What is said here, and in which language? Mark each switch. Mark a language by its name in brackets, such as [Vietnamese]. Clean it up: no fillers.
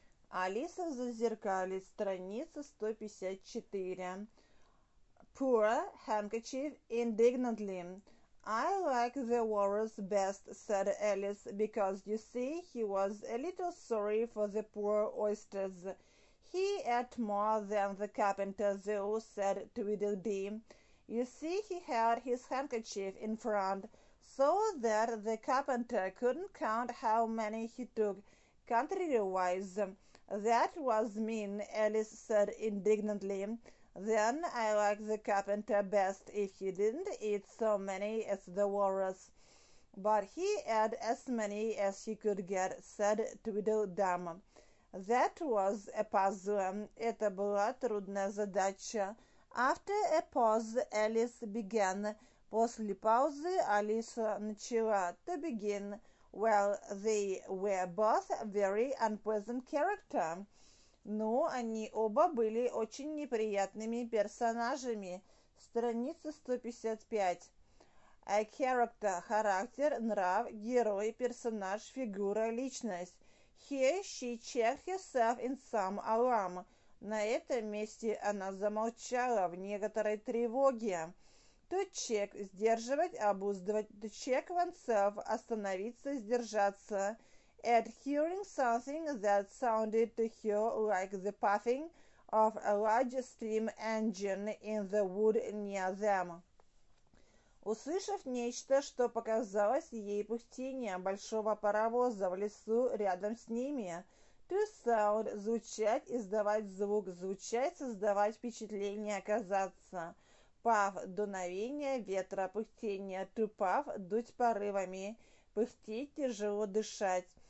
[Russian] Алиса в зазеркалье, страница 154. [English] Poor handkerchief indignantly. I like the walrus best, said Alice, because you see, he was a little sorry for the poor oysters. He ate more than the carpenter, though, said Tweedledee. You see, he had his handkerchief in front, so that the carpenter couldn't count how many he took, contrary-wise. That was mean, Alice said indignantly. Then I like the carpenter best if he didn't eat so many as the walrus. But he ate as many as he could get, said Tweedledum. That was a puzzle. [Russian] Это была трудная задача. [English] After a pause, Alice began. [Russian] После паузы Алиса начала. [English] To begin. Well, they were both very unpleasant character. [Russian] Ну, они оба были очень неприятными персонажами. Страница 155. [English] A character [Russian] – характер, нрав, герой, персонаж, фигура, личность. [English] Here she checked herself in some alarm. [Russian] На этом месте она замолчала в некоторой тревоге. [English] To check [Russian] – сдерживать, обуздывать. [English] To check oneself [Russian] – остановиться, сдержаться. [English] At hearing something that sounded to her like the puffing of a large steam engine in the wood near them. [Russian] Услышав нечто, что показалось ей пыхтением большого паровоза в лесу рядом с ними. [English] To sound [Russian] – звучать, издавать звук, звучать, создавать впечатление, казаться. Puff – дуновение ветра, пыхтение. [English] To puff [Russian] – дуть порывами, пыхтеть, тяжело дышать.